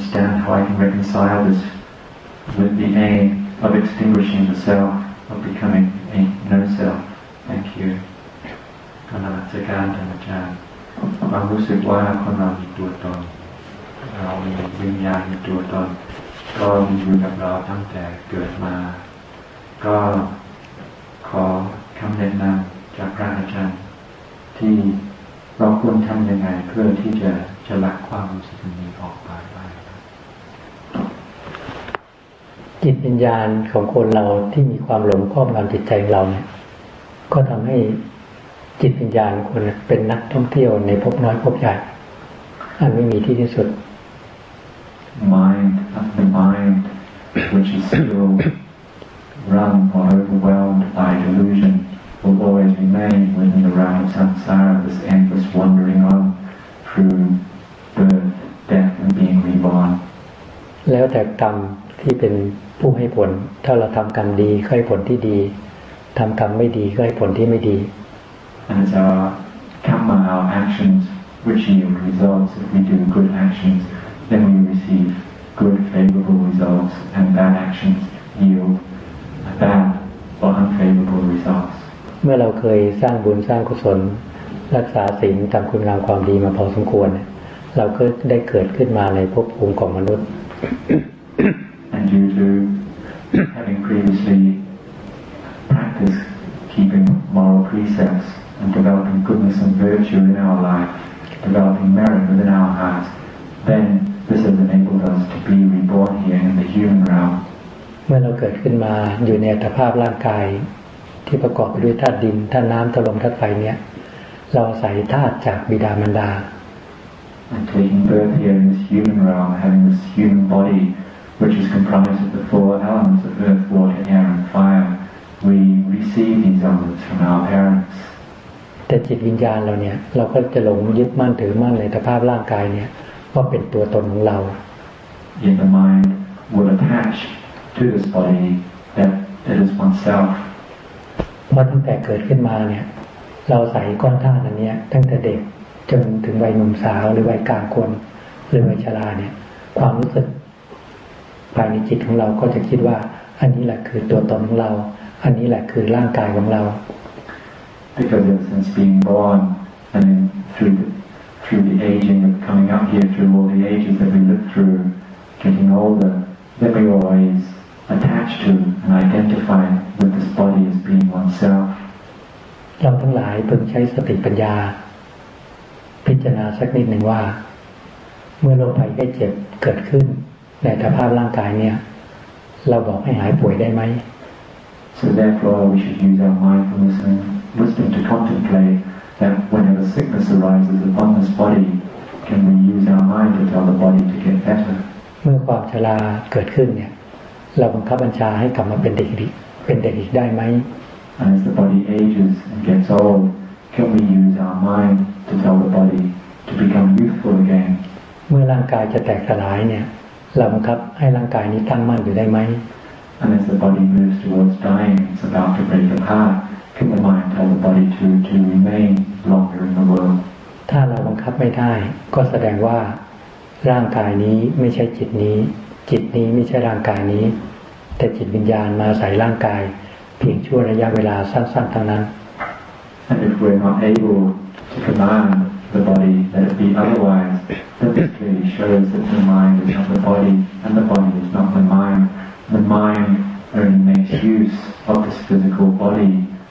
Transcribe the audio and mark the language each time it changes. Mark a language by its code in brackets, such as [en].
[en] Reconcile this with the aim of extinguishing the self, of becoming a no self. Thank you. [th] ขณะสักการ์ดอาจารย์ความรู้สึกว่าคนเรามีตัวตนเรามีวิญญาณมีตัวตนก็มีอยู่กับเราตั้งแต่เกิดมาก็ขอคำแนะนำจากพระอาจารย์ที่เราควรทำยังไงเพื่อที่จะละความรู้สึกนี้ออกไป จิตวิญญาณของคนเราที่มีความหลงครอบงำจิตใจของเราเนี่ยก็ทำให้จิตวิญญาณคนเป็นนักท่องเที่ยวในภพน้อยภพใหญ่อันไม่มีที่ที่สุด [en] mind of the mind which is still run or overwhelmed by delusion will always remain within the realm of samsara this endless wandering on through birth death and being reborn [th] แล้วแต่กรรมที่เป็นผู้ให้ผลถ้าเราทำกรรมดีก็ให้ผลที่ดีทำกรรมไม่ดีก็ให้ผลที่ไม่ดี [en] And so karma our actions which yield results if we do good actions then we receive good favorable results and bad actions yield bad or unfavorable results [th] เมื่อเราเคยสร้างบุญสร้างกุศลรักษาศีลทำคุณงามความดีมาพอสมควรเราก็ได้เกิดขึ้นมาในภพภูมิของมนุษย์ [en] Due to having previously practiced keeping moral precepts and developing goodness and virtue in our life, developing merit within our hearts, then this has enabled us to be reborn here in the human realm. When we are born, in the physical body, [th] ที่ประกอบไปด้วยธาตุดินธาตุน้ำธาตุลมธาตุไฟเนี่ยเราอาศัยธาตุจากบิดามารดา [en] And taking birth here in this human realm, having this human body, which is comprised of the four elements of earth, water, air, and fire, we receive these elements from our parents. [th] แต่จิตวิญญาณเราเนี่ยเราก็จะหลงยึดมั่นถือมั่นในสภาพร่างกายเนี่ยว่าเป็นตัวตนของเรา [en] In the mind will attach to this body that it is oneself [th] มาตั้งแต่เกิดขึ้นมาเนี่ยเราใส่ก้อนธาตุอันนี้ตั้งแต่เด็กจนถึงวัยหนุ่มสาวหรือวัยกลางคนหรือวัยชราเนี่ยความรู้สึกภายในจิตของเราก็จะคิดว่าอันนี้แหละคือตัวตนของเราอันนี้แหละคือร่างกายของเรา [en] Because since being born and then through the aging of coming up here through all the ages that we live through, getting older, that we always attach to and identify with this body as being oneself. [th] เราทั้งหลายพึงใช้สติปัญญาพิจารณาสักนิดหนึ่งว่าเมื่อโรคภัยไข้เจ็บเกิดขึ้นในสภาพร่างกายเนี่ยเราบอกให้หายป่วยได้ไหม [en] So therefore, we should use our mindfulness andWisdom to contemplate that whenever sickness arises upon this body, can we use our mind to tell the body to get better? [th] เมื่อความชราเกิดขึ้นเนี่ยเราบังคับบัญชาให้กลับมาเป็นเด็กอีกได้ไหม [en] And as the body ages and gets old, can we use our mind to tell the body to become youthful again? [th] เมื่อร่างกายจะแตกสลายเนี่ยเราบังคับให้ร่างกายนี้ตั้งมั่นอยู่ได้ไหม [en] And as the body moves towards dying, it's about to break apart. Can the mind tell the body to remain longer in the world? [th] ถ้าเราบังคับไม่ได้ก็แสดงว่าร่างกายนี้ไม่ใช่จิตนี้จิตนี้ไม่ใช่ร่างกายนี้แต่จิตวิญญาณมาใส่ร่างกายเพียงชั่วระยะเวลาสั้นๆเท่านั้น [en] And if we're not able to command the body that it be otherwise, that basically shows that the mind is not the body, and the body is not the mind. The mind only makes use of this physical body.